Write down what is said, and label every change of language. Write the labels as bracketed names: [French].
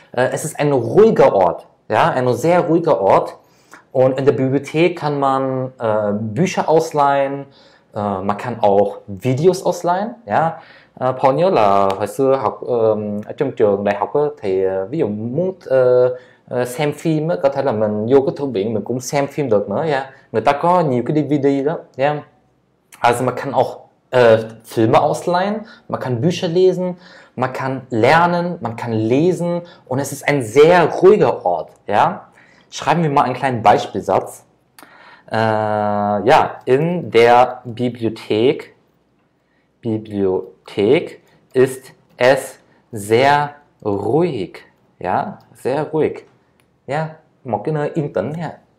[German] Es ist ein ruhiger Ort, ja, ein sehr ruhiger Ort. Und in der Bibliothek kann man Bücher ausleihen, man kann auch Videos ausleihen, ja. [Vietnamese] Paul nhớ là hồi xưa học ở trong trường đại học á, thì ví dụ muốn xem phim á, có thể là mình vô cái thư viện mình cũng xem phim được nữa nha. Yeah. Người ta có nhiều cái DVD đó, nha. Yeah. [German] Also man kann auch Filme ausleihen, man kann Bücher lesen, man kann lernen, man kann lesen und es ist ein sehr ruhiger Ort. Ja. Schreiben wir mal einen kleinen Beispielsatz. Ja, in der Bibliothek ist es sehr ruhig. Ja, sehr ruhig. [Vietnamese] Ja, một cái nơi yên tĩnh nha.